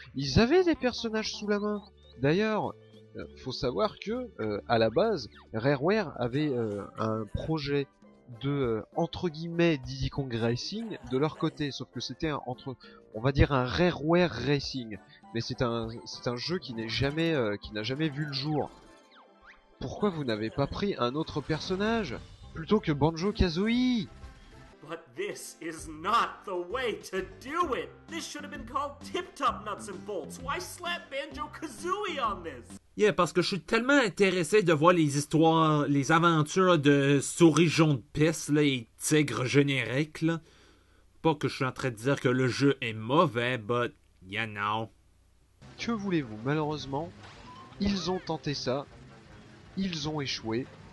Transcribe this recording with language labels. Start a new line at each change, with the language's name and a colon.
French: Ils avaient des personnages sous la main. D'ailleurs, faut savoir que à la base, Rareware avait un projet de entre guillemets Diddy Kong Racing de leur côté, sauf que c'était un Rareware Racing, mais c'est un jeu qui n'a jamais vu le jour. Pourquoi vous n'avez pas pris un autre personnage plutôt que Banjo-Kazooie?
English: But this is not the way to do it. This should have been called Tip Top Nuts and Bolts. Why slap Banjo-Kazooie on this?
French: Yeah, parce que je suis tellement intéressé de voir les histoires, les aventures de souris jaune de pisse là, et tigre générique là. Pas que je suis en train de dire que le jeu est mauvais,
English: but you know.
French: Que voulez-vous? Malheureusement, ils ont tenté ça. Ils ont échoué.